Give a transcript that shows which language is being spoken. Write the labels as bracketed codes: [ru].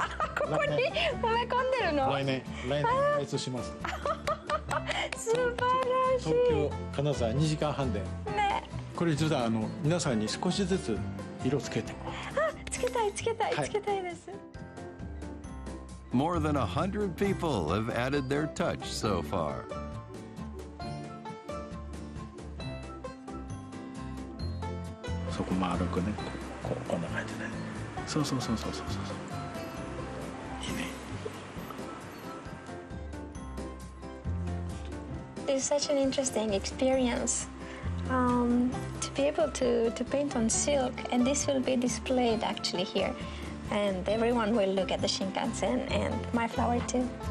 [ja] ここに埋め込んでるの。来年、来年開通します。素晴らしい。東京金沢2時間半で。ね。これ実は皆さんに少しずつ色つけて。あ、つけたい、つけたい、つけたいです。 [en] More than 100 people have added their touch so far. [ja] こう丸くね、こうこんな感じで、そうそうそうそうそうそう、いいね。 [en] It's such an interesting experience、to be able to paint on silk, and this will be displayed actually here, and everyone will look at the Shinkansen and my flower too.